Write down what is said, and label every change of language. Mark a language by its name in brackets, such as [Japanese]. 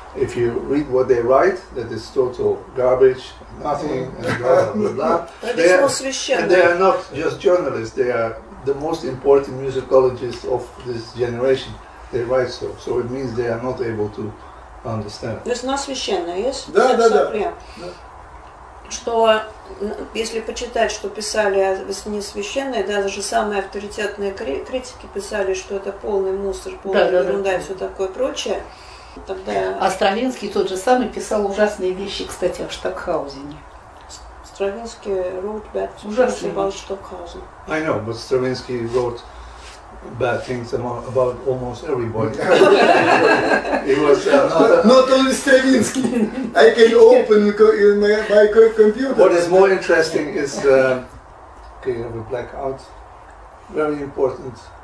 [English] If you read what they write, that is total garbage, nothing, and blah, blah, blah. They are not just journalists. They are the most important musicologists of this generation. They write so. So it means they are not able to understand. [Russian] Весна священная, yes? Да, да, да. Что, если почитать, что писали о весне священной, даже самые авторитетные критики писали, что это полный мусор, полная ерунда и все такое прочее. Тогда... А Стравинский тот же самый писал ужасные вещи, кстати, о Штокхаузене. [English] Стравинский wrote bad things about Stockhausen. I know, but Stravinsky wrote bad things about almost everybody. Not only Stravinsky. I can open my computer. What is more interesting is okay, I have a blackout. Very important.